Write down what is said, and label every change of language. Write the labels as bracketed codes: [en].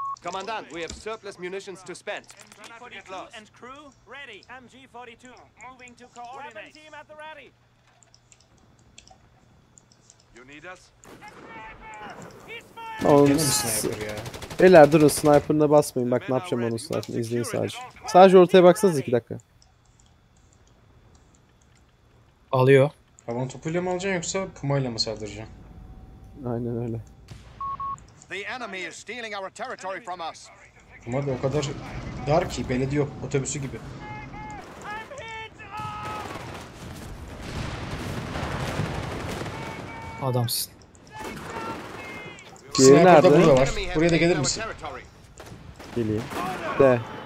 [en] Commandant, we have surplus munitions to spend. MG42 and crew ready. MG42 moving to coordinate. Weapon team at the ready. You need us? [tr] Oğlum, eller durun, sniper'ına basmayın. Bak ne yapacağım onun sniper'ını, izleyin sadece. Sadece ortaya baksanız 2 dakika. Alıyor. Havan topuyla mı alacaksın yoksa pumayla mı saldıracaksın? Aynen öyle. [en] The enemy is stealing our territory from us. [tr] Puma da o kadar dar ki, belediye otobüsü gibi. Adamsın. Geri nerede? Burada var. Buraya da gelir misin? Geleyim. De.